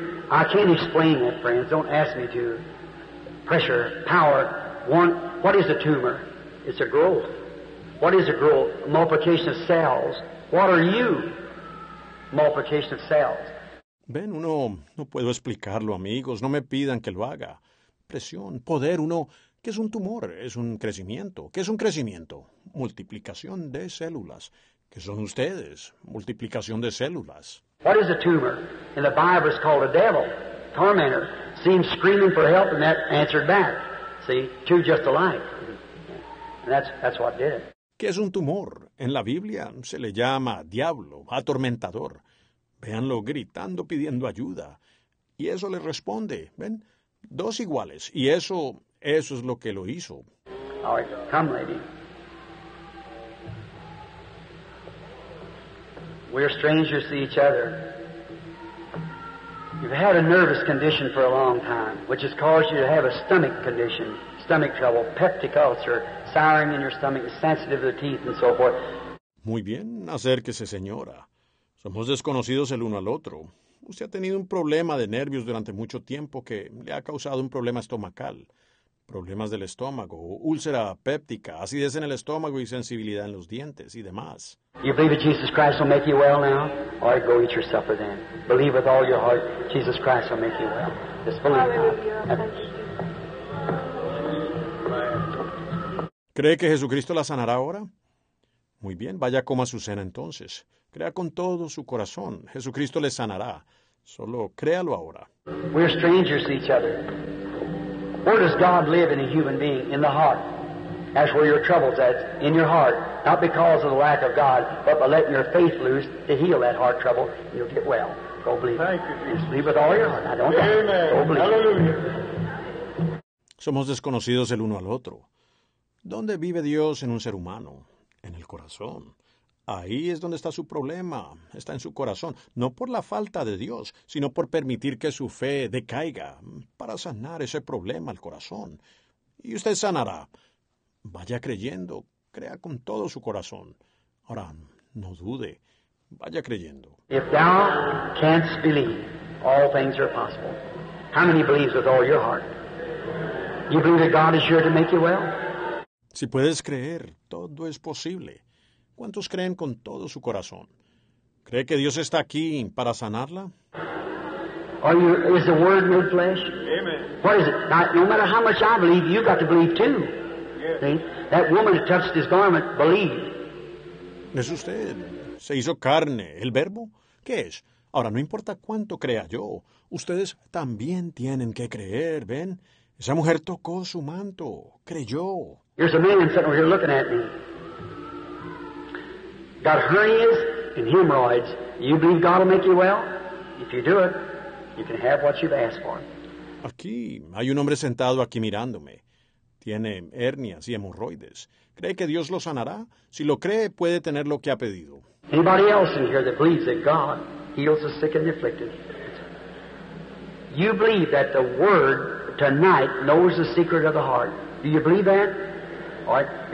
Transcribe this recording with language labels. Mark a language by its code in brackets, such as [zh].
[en] I can't explain that, friends. Don't ask me to. Pressure, power. What is a tumor? It's a growth. What is a growth? Multiplication of cells. What are you? Multiplication of cells. [es] Ven, uno no puedo explicarlo, amigos. No me pidan que lo haga. Presión, poder, uno... ¿Qué es un tumor? Es un crecimiento. ¿Qué es un crecimiento? Multiplicación de células. ¿Qué son ustedes? Multiplicación de células. [en] What is a tumor? In the Bible it's called a devil. Tormentor. See him screaming for help and that answered back. See? Two just alike. And that's what did it. [es] ¿Qué es un tumor? En la Biblia se le llama diablo, atormentador. Véanlo gritando, pidiendo ayuda. Y eso le responde. ¿Ven? Dos iguales. Y eso... Eso es lo que lo hizo. [en] All right, come, lady. We're strangers to each other. You've had a nervous condition for a long time, which has caused you to have a stomach condition, stomach trouble, peptic ulcer, souring in your stomach, sensitive to the teeth, and so forth. [es] Muy bien, acérquese, señora. Somos desconocidos el uno al otro. Usted ha tenido un problema de nervios durante mucho tiempo que le ha causado un problema estomacal. Problemas del estómago, úlcera péptica, acidez en el estómago y sensibilidad en los dientes y demás. [en] You believe that Jesus Christ will make you well now? All right, go eat your supper then. Believe with all your heart, Jesus Christ will make you well. Just believe now. [es] ¿Cree que Jesucristo la sanará ahora? Muy bien, vaya a coma su cena entonces. Crea con todo su corazón. Jesucristo le sanará. Solo créalo ahora. [en] We're strangers to each other. Where does God live in a human being? In the heart. That's where your trouble's at, in your heart. Not because of the lack of God, but by letting your faith loose to heal that heart trouble, and you'll get well. Go believe. Thank you, Jesus. Just believe with all your heart. I don't Amen. Doubt. Go believe. Hallelujah. [es] Somos desconocidos el uno al otro. ¿Dónde vive Dios en un ser humano? En el corazón. Ahí es donde está su problema. Está en su corazón. No por la falta de Dios, sino por permitir que su fe decaiga para sanar ese problema al corazón. Y usted sanará. Vaya creyendo. Crea con todo su corazón. Ahora, no dude. Vaya creyendo. [en] If thou canst believe, all things are possible. How many believes with all your heart? You believe that God is here to make you well? [es] Si puedes creer, todo es posible. ¿Cuántos creen con todo su corazón? ¿Cree que Dios está aquí para sanarla? [en] Are you, is the word made flesh? Amen. What is it? No matter how much I believe, you've got to believe too. Yes, sir. See? That woman that touched his garment believed. [es] ¿Es usted? Se hizo carne. ¿El verbo? ¿Qué es? Ahora, no importa cuánto crea yo, ustedes también tienen que creer, ¿ven? Esa mujer tocó su manto, creyó. [en] There's a man sitting over here looking at me. Got hernias and hemorrhoids. You believe God will make you well? If you do it, you can have what you've asked for. [es] Aquí hay un hombre sentado aquí mirándome. Tiene hernias y hemorroides. ¿Cree que Dios lo sanará? Si lo cree, puede tener lo que ha pedido. [en] Anybody else in here that believes that God heals the sick and the afflicted? You believe that the Word tonight knows the secret of the heart. Do you believe that? All right.